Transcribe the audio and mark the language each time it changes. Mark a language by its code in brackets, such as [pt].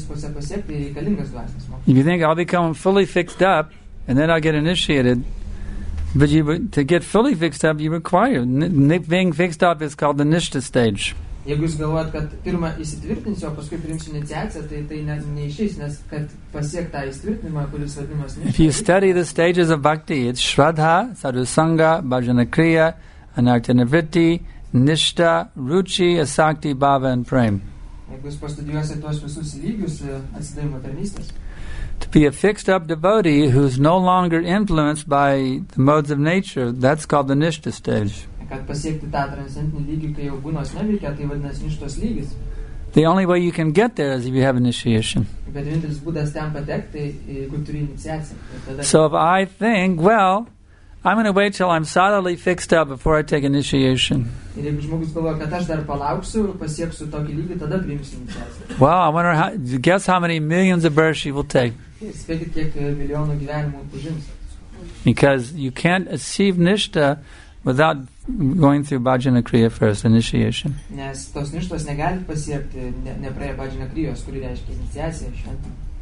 [en] If you think, I'll become fully fixed up, and then I'll get initiated, but you, to get fully fixed up, you require, being fixed up is called the nishta stage. [lt] Jeigu jūs galvojat, kad pirmą įsitvirtinsiu, o paskui priimsiu iniciaciją, tai tai neišeis, nes kad pasiekt tą įsitvirtinimą, kuris vadinamas [en] nishta. If you study the stages of bhakti, it's shraddha, sadhusanga, bhajana kriya, anartinavritti, nishta, ruchi, asakti, bhava, and prem. [lt] Jeigu jūs pastudijuosit tuos visus lygius atsidavimo tarnystės. [en] To be a fixed-up devotee who's no longer influenced by the modes of nature, that's called the nishta stage. [lt] Kad pasiekti tą transcendentinį lygį, kai jau kūnas neveikia, tai vadinasi nishtos lygis. [en] The only way you can get there is if you have initiation. [lt] Bet vienintelis būdas ten patekti, jeigu turi iniciaciją. [en] So if I think, well, I'm going to wait till I'm solidly fixed up before I take initiation. [lt] Ir jeigu žmogus galvoja, kad aš dar palauksiu, pasieksiu tokį lygį, tada priimsiu iniciaciją. [en] Well, I wonder, guess how many millions of births she will take. [lt] Spėkit, kiek milijonų gyvenimų užims. [en] Because you can't achieve nishta without going through bhajana kriya first, initiation. [lt] Nes tos nishtos negali pasiekti, nepraėję bhajana kriyos, kuri reiškia iniciaciją šventą.